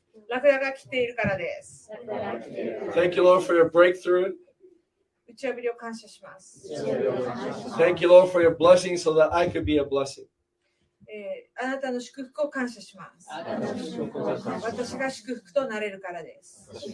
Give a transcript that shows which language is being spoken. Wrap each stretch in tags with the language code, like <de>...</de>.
<ja>ラクダが来ているからです。</ja> <en>Thank you, Lord, for your breakthrough.</en> <ja>打ち破りを感謝します。</ja> <en>Thank you, Lord, for your blessing so that I could be a blessing.</en> <ja>あなたの祝福を感謝します。私が祝福となれるからです。</ja>